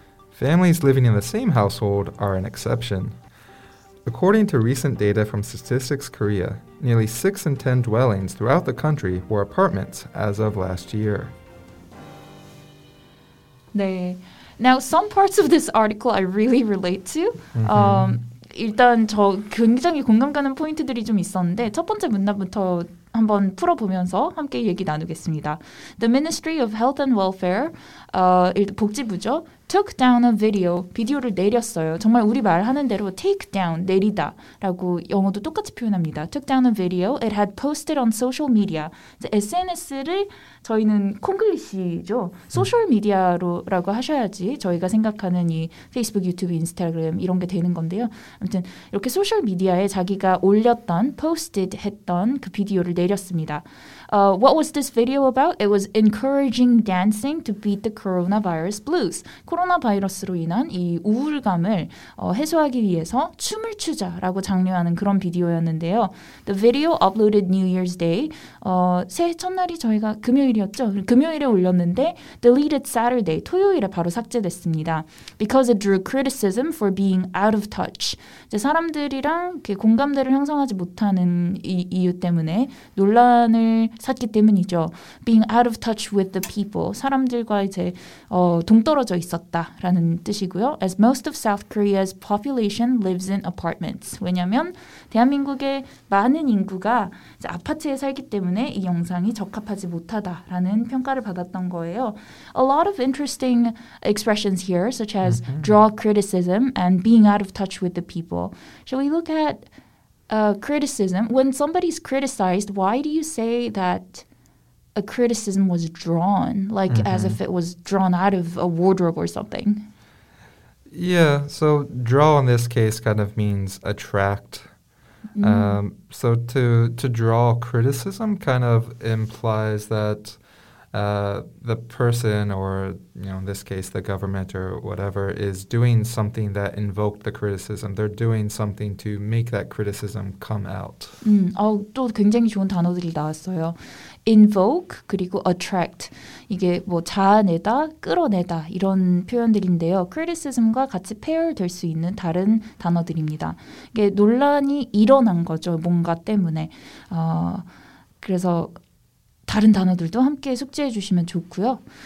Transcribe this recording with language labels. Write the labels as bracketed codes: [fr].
[en] Families living in the same household are an exception. According to recent data from Statistics Korea, nearly 6 in 10 dwellings throughout the country were apartments as of last year. [ko] 네. [en] Now, some parts of this article I really relate to. Mm-hmm. [ko] 일단 저 굉장히 공감가는 포인트들이 좀 있었는데 첫 번째 문단부터 한번 풀어보면서 함께 얘기 나누겠습니다. [en] The Ministry of Health and Welfare, [ko] 복지부죠. [en] Took down a video. [ko] 비디오를 내렸어요. 정말 우리 말하는 대로 [en] take down, [ko] 내리다 라고 영어도 똑같이 표현합니다. [en] Took down a video. It had posted on social media. [ko] SNS를 저희는 콩글리시죠. 소셜미디어라고 하셔야지 저희가 생각하는 이 페이스북, 유튜브, 인스타그램 이런 게 되는 건데요. 아무튼 이렇게 소셜미디어에 자기가 올렸던, posted 했던 그 비디오를 내렸습니다. [en] What was this video about? It was encouraging dancing to beat the coronavirus blues. [ko] 코로나 바이러스로 인한 이 우울감을 해소하기 위해서 춤을 추자라고 장려하는 그런 비디오였는데요. [en] The video uploaded New Year's Day. [ko] 새해 첫날이 저희가 금요일이었죠. 금요일에 올렸는데 [en] deleted Saturday, [ko] 토요일에 바로 삭제됐습니다. [en] Because it drew criticism for being out of touch. [ko] 이제 사람들이랑 이렇게 공감대를 형성하지 못하는 이유 때문에 논란을 샀기 때문이죠. [en] Being out of touch with the people. [ko] 사람들과 이제 동떨어져 있었다라는 뜻이고요. [en] As most of South Korea's population lives in apartments. [ko] 왜냐하면 대한민국의 많은 인구가 이제 아파트에 살기 때문에 이 영상이 적합하지 못하다라는 평가를 받았던 거예요. [en] A lot of interesting expressions here, such as draw criticism and being out of touch with the people. Shall we look at criticism. When somebody's criticized, why do you say that a criticism was drawn, like as if it was drawn out of a wardrobe or something? Yeah, so draw in this case kind of means attract. Mm-hmm. So to draw criticism kind of implies that the person, or you know, in this case the government or whatever, is doing something that invoked the criticism. They're doing something to make that criticism come out. [ko] 또 굉장히 좋은 단어들이 나왔어요. Invoke 그리고 attract, 이게 뭐 자아내다, 끌어내다 이런 표현들인데요. Criticism과 같이 pair될 수 있는 다른 단어들입니다. 이게 논란이 일어난 거죠, 뭔가 때문에. 그래서 다른 단어들도 함께 숙지해 주시면 좋고요.